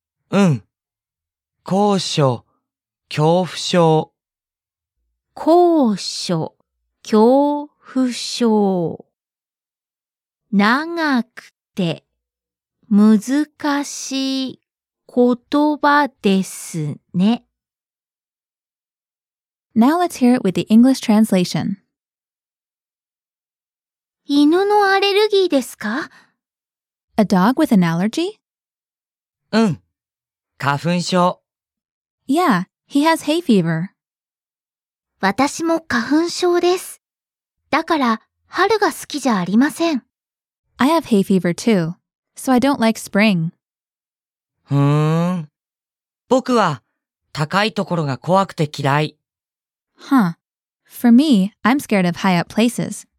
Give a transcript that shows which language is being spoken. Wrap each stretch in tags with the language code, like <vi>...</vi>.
<ja>うん、高所恐怖症。高所恐怖症。長くて難しい言葉ですね。</ja> <en>Now let's hear it with the English translation.</en> <ja>犬のアレルギーですか？</ja> <en>A dog with an allergy?</en> <ja>うん、花粉症。</ja> <en>Yeah, he has hay fever.</en> <ja>私も花粉症です。だから春が好きじゃありません。</ja> <en>I have hay fever too, so I don't like spring.</en> <ja>僕は高いところが怖くて嫌い。</ja> <en>For me, I'm scared of high up places.</en>